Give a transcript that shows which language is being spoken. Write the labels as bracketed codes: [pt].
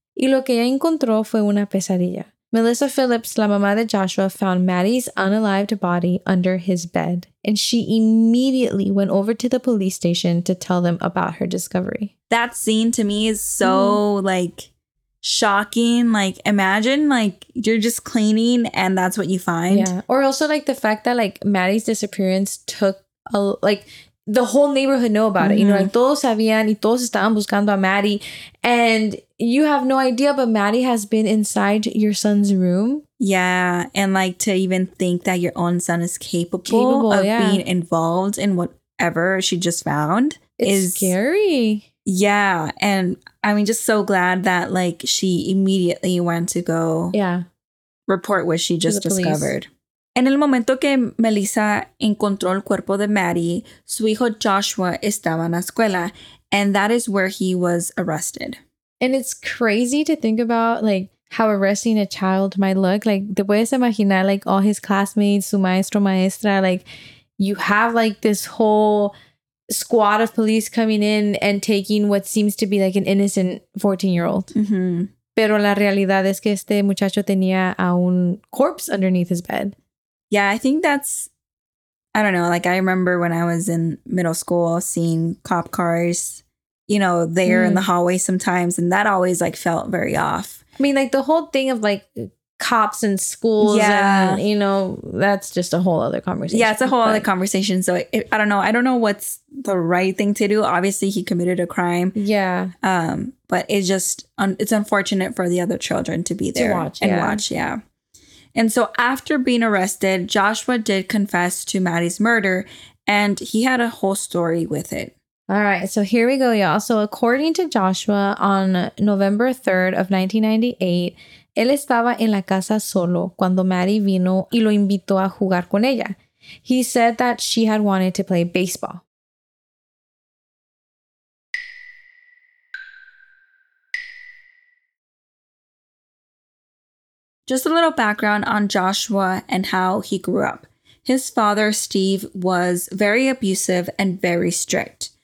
[es] Y lo que ella encontró fue una pesadilla. [en] Melissa Phillips, [es] la mamá de Joshua, [en] found Maddie's unalived body under his bed. And she immediately went over to the police station to tell them about her discovery. That scene to me is so, like, shocking. Like, imagine, like, you're just cleaning and that's what you find. Yeah. Or also, like, the fact that, like, Maddie's disappearance took a, like, the whole neighborhood know about mm-hmm. it. You know, like, [es] todos sabían y todos estaban buscando a Maddie. [en] And you have no idea, but Maddie has been inside your son's room. Yeah. And, like, to even think that your own son is capable of yeah. being involved in whatever she just found, it's scary. Yeah. And I mean, just so glad that, like, she immediately went to go yeah. report what she just discovered. [es] En el momento que Melissa encontró el cuerpo de Maddie, su hijo Joshua estaba en la escuela, [en] and that is where he was arrested. And it's crazy to think about, like, how arresting a child might look. Like, [es] te puedes imaginar, [en] like, all his classmates, [es] su maestro, maestra, [en] like, you have, like, this whole squad of police coming in and taking what seems to be, like, an innocent 14-year-old. Mm-hmm. [es] Pero la realidad es que este muchacho tenía a un [en] corpse underneath his bed. Yeah, I think that's, I don't know, like I remember when I was in middle school seeing cop cars, you know, there in the hallway sometimes, and that always like felt very off. I mean, like the whole thing of like cops and schools, yeah, and, you know, that's just a whole other conversation. Yeah, it's a whole other conversation. So I don't know. I don't know what's the right thing to do. Obviously, he committed a crime. Yeah. But it's just, it's unfortunate for the other children to be there. To watch, and yeah. Watch, yeah. And so after being arrested, Joshua did confess to Maddie's murder, and he had a whole story with it. All right, so here we go, y'all. So according to Joshua, on November 3rd of 1998, [es] él estaba en la casa solo cuando Maddie vino y lo invitó a jugar con ella. [en] He said that she had wanted to play baseball. Just a little background on Joshua and how he grew up. His father, Steve, was very abusive and very strict.